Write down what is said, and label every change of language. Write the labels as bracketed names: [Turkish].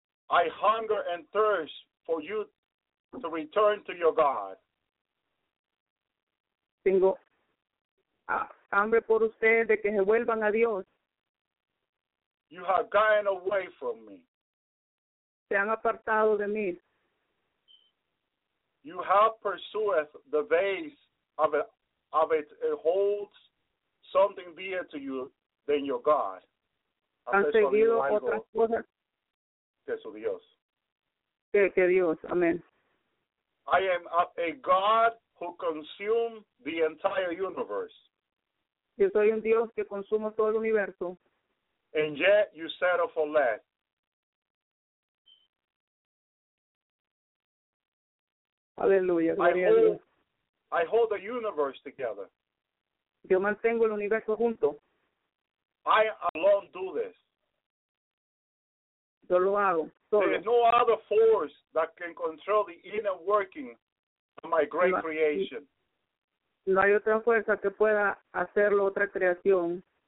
[English] I hunger and thirst for you to return to your God. [Spanish] Tengo hambre por ustedes de que se vuelvan a Dios. [English] You have gotten away from me. [Spanish] Se han apartado de mí. [English] You have pursued the vase of it. It holds something dear to you than your God. [Spanish] Han seguido otras cosas. Que su Dios. Que Dios. Amén. [English] I am a God who consumes the entire universe. [Spanish] Yo soy un Dios que consumo todo el universo. [English] And yet you settle for less. [Spanish] Aleluya, [English] I hold the universe together. [Spanish] Yo mantengo el universo junto. [English] I alone do this. [Spanish] Yo lo hago solo. [English] There is no other force that can control the inner working of my great creation. [Spanish] No hay otra fuerza que pueda hacerlo otra creación.